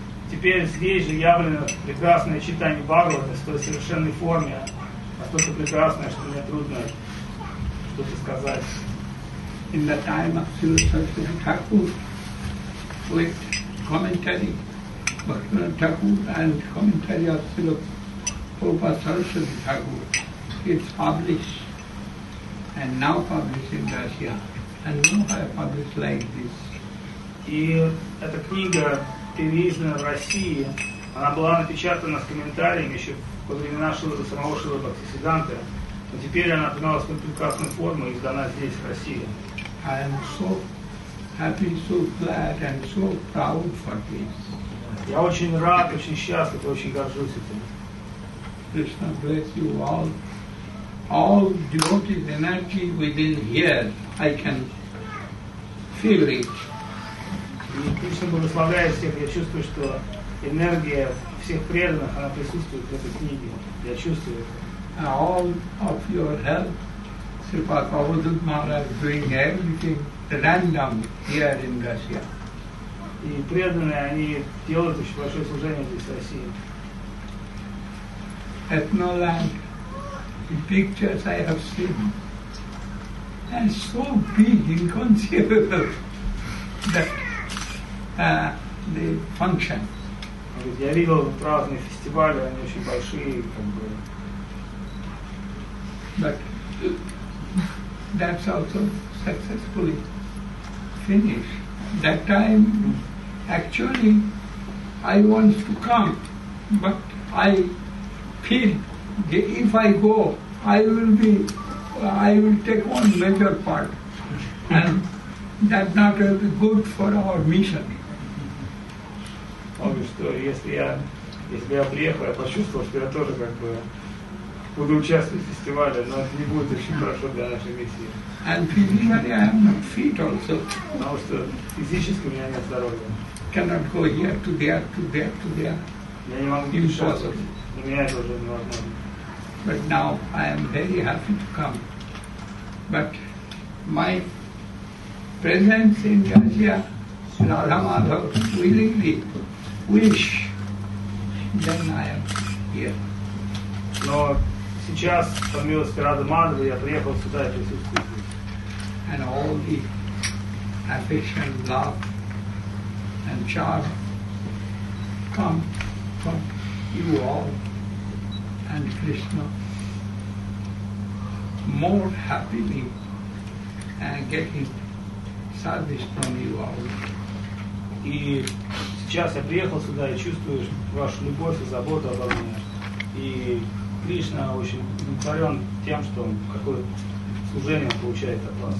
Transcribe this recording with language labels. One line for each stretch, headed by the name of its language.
Russian: Теперь здесь же явлено прекрасное читание Бхагавата в той совершенной форме, настолько прекрасное, что мне трудно что-то сказать.
English: In the time of Sri Saraswati Thakur, with commentary, Bhaktivinoda Thakur and commentary of Sri Prabhupada Saraswati Thakur, it's published and now published in Russia, and nowhere published like this.
Russian: И эта книга переиздана в России. Она была напечатана с комментариями еще во времена самого Шрила Бхактисиддханты. Но теперь она приняла свою прекрасную форму и издана здесь, в России.
English: I am so happy, so glad and so proud for this.
Russian: Я очень рад, очень счастлив и очень горжусь этим.
English: Krishna bless you all. All devotees' energy within here, I can feel it.
Russian: И Кришна благословляет всех, я чувствую, что энергия всех преданных, она присутствует в этой книге. Я чувствую это.
English: All of your help, Srila Prabhupada Maharaj doing everything random here in Russia.
Russian: И преданные, они делают очень большое служение здесь, в России.
English: Ethnoland, the pictures I have seen, and so big, inconceivable, that the function.
Russian: Я видел разные фестивали, они очень большие, как бы.
English: But that's also successfully finished. That time, actually, I want to come, but I feel that if I go, I will take one major part, and that not be good for our mission.
Russian: Он говорит, что если я приехал, я почувствовал, что я тоже как бы буду участвовать в фестивале, но это не будет очень хорошо для нашей миссии.
English: And physically I am not fit also.
Russian: Потому что физически у меня нет здоровья.
English: Cannot go here to there, to there, to there.
Russian: Я не могу участвовать. Для меня это уже невозможно.
English: But now I am very happy to come. But my presence in Russia, Radha Madhav, willingly. Wish, then I am here.
Russian: Но сейчас, по милости Рады Мадры, я приехал сюда и присутствую здесь.
English: And all the affection, love and charm come from you all and Krishna. More happily and getting service from you all.
Russian: И сейчас я приехал сюда и чувствую вашу любовь и заботу обо мне. И Кришна очень удовлетворен тем, что он какое служение получает от вас.